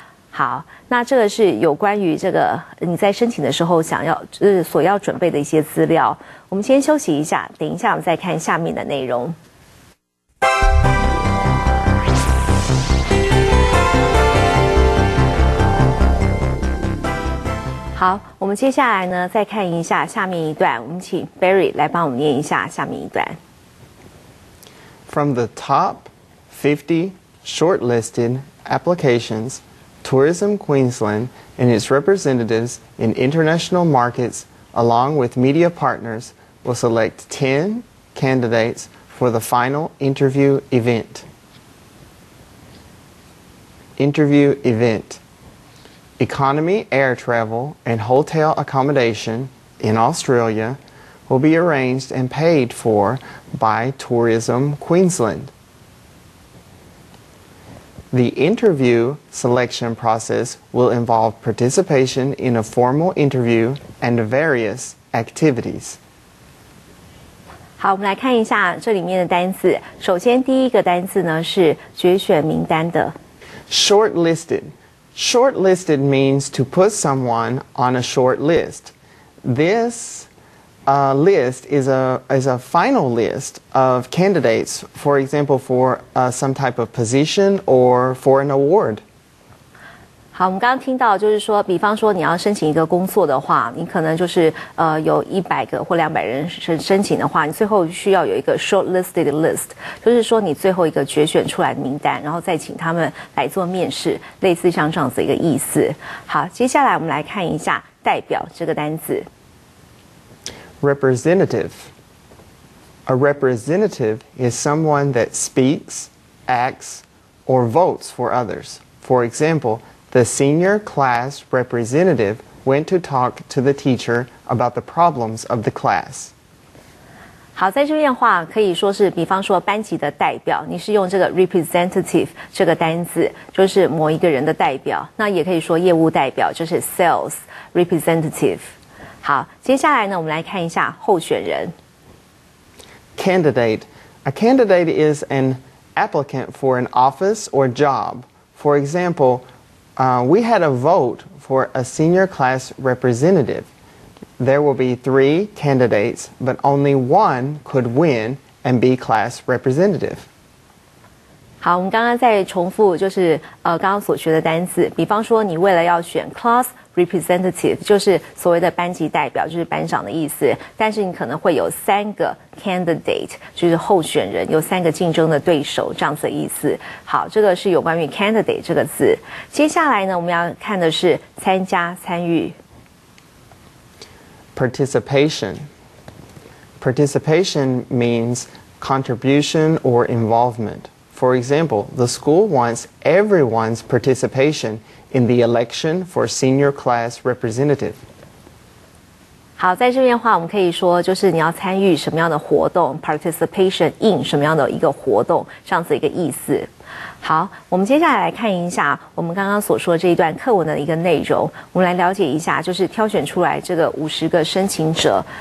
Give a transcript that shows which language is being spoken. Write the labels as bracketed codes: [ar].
[zh] 好那这个是有关于这个你在申请的时候想要所要准备的一些资料我们先休息一下等一下我们再看下面的内容好，我们接下来呢，再看一下下面一段。我们请 Barry 来帮我们念一下下面一段。 [en] from the top 50 shortlisted applications, Tourism Queensland and its representatives in international markets, along with media partners, will select 10 candidates for the final interview event. Interview event. Economy air travel and hotel accommodation in Australia will be arranged and paid for by Tourism Queensland. The interview selection process will involve participation in a formal interview and various activities. [zh] 好，我们来看一下这里面的单字。首先第一个单字呢是决选名单的。 [en] Shortlisted. Shortlisted means to put someone on a short list. This list is a final list of candidates, for example, for some type of position or for an award. [zh] 好，我们刚刚听到就是说，比方说你要申请一个工作的话，你可能就是有100个或200人申请的话，你最后需要有一个 [en] shortlisted list， [zh] 就是说你最后一个决选出来的名单，然后再请他们来做面试，类似像这样子一个意思。好，接下来我们来看一下代表这个单字。 [en] Representative. A representative is someone that speaks, acts, or votes for others. For example, the senior class representative went to talk to the teacher about the problems of the class. [zh] 好，在这边的话可以说是比方说班级的代表，你是用这个 representative 这个单字，就是某一个人的代表，那也可以说业务代表，就是 [en] sales representative。 [zh] 好，接下来呢，我们来看一下候选人。 [en] Candidate. A candidate is an applicant for an office or job. For example, we had a vote for a senior class representative. There will be 3 candidates, but only 1 could win and be class representative. [zh] 好，我们刚刚再重复，就是刚刚所学的单字。比方说，你为了要选 class representative， 就是所谓的班级代表，就是班长的意思。但是你可能会有三个 candidate， 就是候选人，有三个竞争的对手这样子的意思。好，这个是有关于 candidate 这个字。接下来呢，我们要看的是参加、参与 [en] participation。 Participation means contribution or involvement. For example, the school wants everyone's participation in the election for senior class representative. [zh] 好，在这边的话，我们可以说就是你要参与什么样的活动 ， [en] participation in [zh] 什么样的一个活动，这样子一个意思。好，我们接下来看一下我们刚刚所说的这一段课文的一个内容。我们来了解一下，就是挑选出来这个50个申请者。